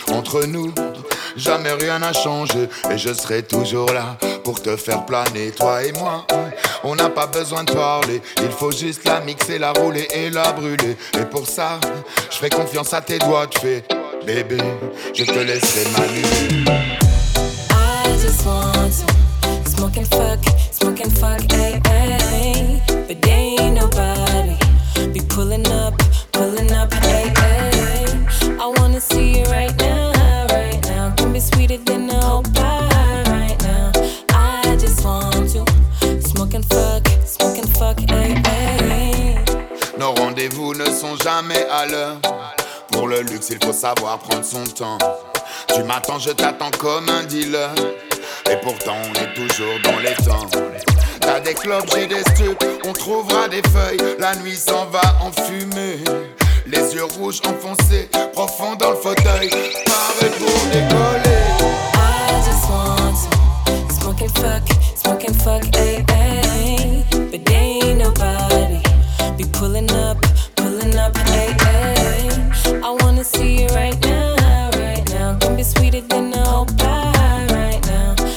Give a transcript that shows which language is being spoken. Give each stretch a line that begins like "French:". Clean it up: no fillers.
French: Entre nous, jamais rien n'a changé. Et je serai toujours là pour te faire planer, toi et moi. On n'a pas besoin de parler, il faut juste la mixer, la rouler et la brûler. Et pour ça, je ferai confiance à tes doigts, tu fais. Bébé, je te laisserai m'allumer.
English: I just want to smoke and fuck, ay, ay, ay. But ain't nobody be pulling up, ay, ay, ay. I wanna see you right now, can be sweeter than the whole pie right now. I just want to smoke and fuck, ay, ay, ay.
French: Nos rendez-vous ne sont jamais à l'heure. Pour le luxe, il faut savoir prendre son temps. Tu m'attends, je t'attends comme un dealer. Et pourtant, on est toujours dans les temps. T'as des clopes, j'ai des stupes, on trouvera des feuilles. La nuit s'en va en fumée. Les yeux rouges enfoncés, profond dans le fauteuil. Paré pour décoller.
English: I just want to smoke and fuck, ay, ay. But there ain't nobody be pulling up, ay, ay. I wanna see you right now, can be sweeter than the whole pie right now.